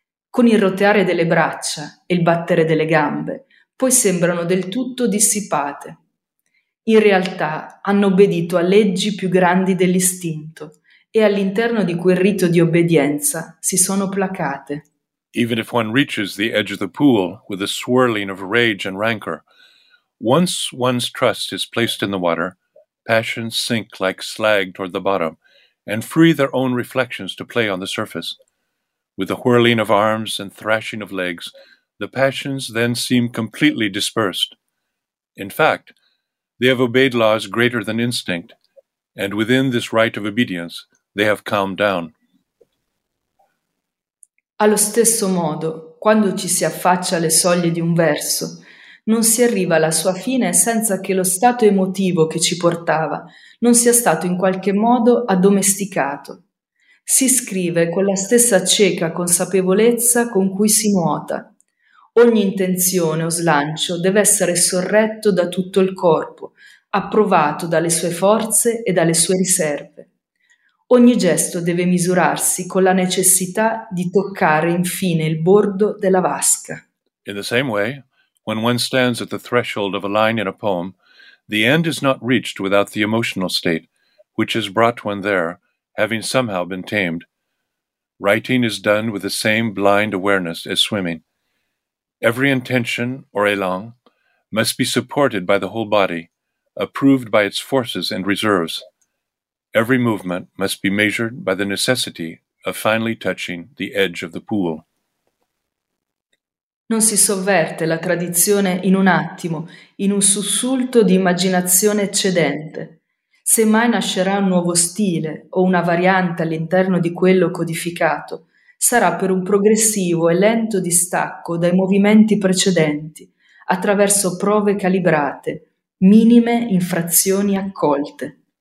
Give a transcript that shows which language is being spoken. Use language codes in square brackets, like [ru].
[it] Con il roteare delle braccia e il battere delle gambe, poi sembrano del tutto dissipate. In realtà hanno obbedito a leggi più grandi dell'istinto e all'interno di quel rito di obbedienza si sono placate. [en] Even if one reaches the edge of the pool with a swirling of rage and rancor, once one's trust is placed in the water, passions sink like slag toward the bottom and free their own reflections to play on the surface. With the whirling of arms and thrashing of legs, the passions then seem completely dispersed. In fact, they have obeyed laws greater than instinct, and within this rite of obedience, they have calmed down. [it] Allo stesso modo, quando ci si affaccia alle soglie di un verso, non si arriva alla sua fine senza che lo stato emotivo che ci portava non sia stato in qualche modo addomesticato. Si scrive con la stessa cieca consapevolezza con cui si nuota. Ogni intenzione o slancio deve essere sorretto da tutto il corpo, approvato dalle sue forze e dalle sue riserve. Ogni gesto deve misurarsi con la necessità di toccare infine il bordo della vasca. [en] In the same way, when one stands at the threshold of a line in a poem, the end is not reached without the emotional state, which has brought one there, having somehow been tamed. Writing is done with the same blind awareness as swimming. Every intention or élan must be supported by the whole body, approved by its forces and reserves. Every movement must be measured by the necessity of finally touching the edge of the pool. [it] Non si sovverte la tradizione in un attimo, in un sussulto di immaginazione eccedente. Se mai nascerà un nuovo stile o una variante all'interno di quello codificato, sarà per un progressivo e lento distacco dai movimenti precedenti, attraverso prove calibrate, minime infrazioni accolte.